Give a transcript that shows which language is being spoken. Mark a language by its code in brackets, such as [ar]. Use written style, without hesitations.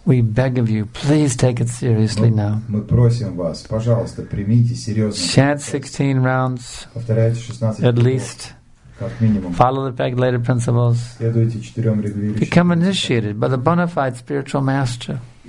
[en] We beg of you, please take it seriously now. [ru] Мы просим вас, пожалуйста, примите серьезно. [en] Chant 16 rounds. [ru] Повторяйте 16 раз. [en] At least. Follow the peg later principles. Become initiated by the bona fide spiritual master.